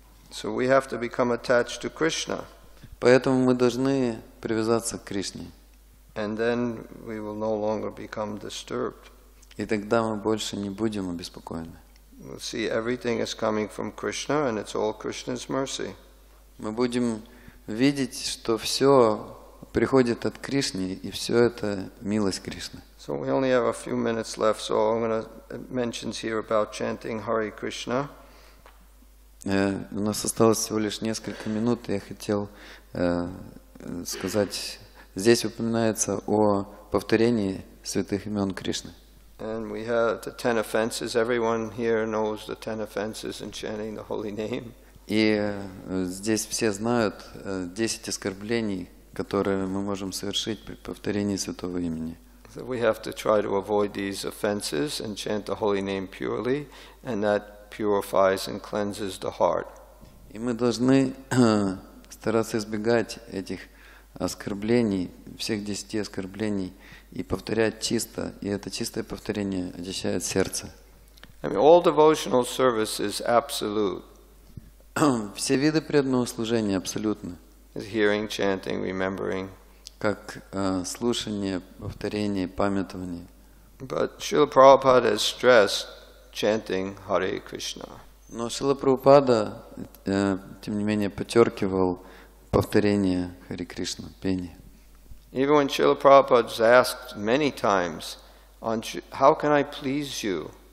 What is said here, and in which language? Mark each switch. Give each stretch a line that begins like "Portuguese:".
English: So we have to become attached to Krishna.
Russian: Поэтому мы должны привязаться к Кришне.
English: And then we will no longer become disturbed.
Russian: И тогда мы больше не будем обеспокоены.
English: We'll see everything is coming from Krishna, and it's all Krishna's mercy.
Russian: Мы будем видеть, что все приходит от Кришны, и все это милость Кришны.
English: So we only have a few minutes left, so I'm going to mention here about chanting Hare Krishna.
Russian: У нас осталось всего лишь несколько минут, и я хотел сказать, здесь упоминается о повторении святых имен Кришны.
English: And we have the 10 offenses. Everyone here knows the 10 offenses in chanting the holy name.
Russian: И здесь все знают 10 оскорблений, которые мы можем совершить при повторении святого имени.
English: So we have to try to avoid these offenses and chant the holy name purely, and that purifies and cleanses the heart.
Russian: И мы должны стараться избегать этих оскорблений, всех десяти оскорблений, и повторять чисто, и это чистое повторение очищает сердце.
English: I mean, all devotional service is absolute.
Russian: Все виды преданного служения абсолютны.
English: Hearing, chanting, remembering.
Russian: Как слушание, повторение, памятование.
English: But Srila Prabhupada has stressed chanting Hare Krishna.
Russian: Но Шрила Прабхупада, тем не менее, подчеркивал повторение Хари Кришна, пение.
English: Even when Srila Prabhupada was asked many times, how can I please you?